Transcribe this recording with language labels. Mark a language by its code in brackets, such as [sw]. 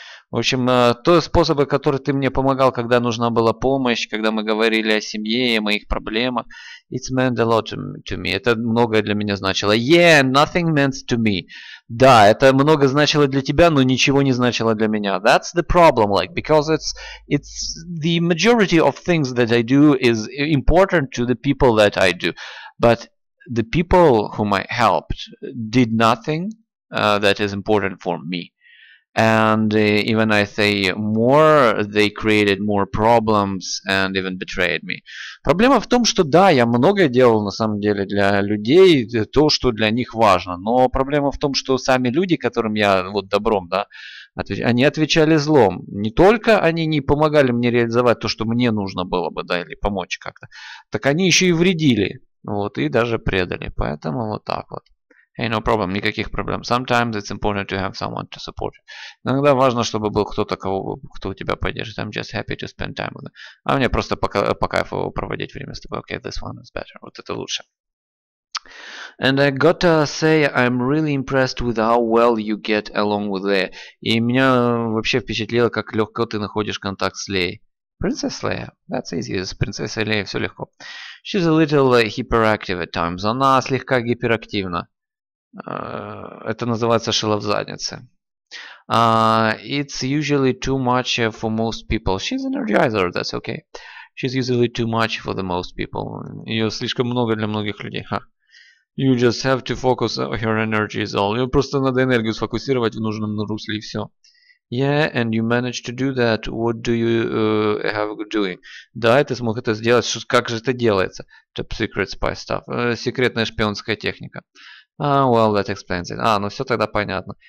[ru] В общем, тот способ, который ты мне помогал, когда нужна была помощь, когда мы говорили о семье и моих проблемах, [en] it's meant a lot to me. [ru] Это многое для меня значило. [en] Yeah, nothing meant to me. [ru] Да, это много значило для тебя, но ничего не значило для меня. [en] That's the problem, like, because it's the majority of things that I do is important to the people that I do. But the people whom I helped did nothing that is important for me. And even I say more, they created more problems and even betrayed me. [ru] Проблема в том, что да, я многое делал на самом деле для людей, то, что для них важно. Но проблема в том, что сами люди, которым я вот добром, да, они отвечали злом. Не только они не помогали мне реализовать то, что мне нужно было бы, да, или помочь как-то. Так они еще и вредили, вот, и даже предали. Поэтому вот так вот. [en] Hey, no problem, [ru] никаких проблем. [en] Sometimes it's important to have someone to support you. [ru] Иногда важно, чтобы был кто-то, кто тебя поддержит. [en] I'm just happy to spend time with them. [ru] А мне просто по кайфу проводить время с тобой. [en] Okay, this one is better. [ru] Вот это лучше. [en] And I gotta say, I'm really impressed with how well you get along with Leia. [ru] И меня вообще впечатлило, как легко ты находишь контакт с Леей. [en] Princess Leia. That's easy. [ru] С принцессой Леей все легко. [en] She's a little hyperactive at times. [ru] Она слегка гиперактивна. Это называется шило в заднице. [en] It's usually too much for most people. She's an energizer, that's okay. She's usually too much for the most people. [ru] Ее слишком много для многих людей. Huh. [en] You just have to focus her energy is all. [ru] Ее просто надо энергию сфокусировать в нужном русле и все. [en] Yeah, and you managed to do that. What do you have doing? [ru] Да, ты смог это сделать. Что, как же это делается? [en] Top secret spy stuff. [ru] Секретная шпионская техника. [en] Well, that explains it. [ru] Ну все тогда понятно.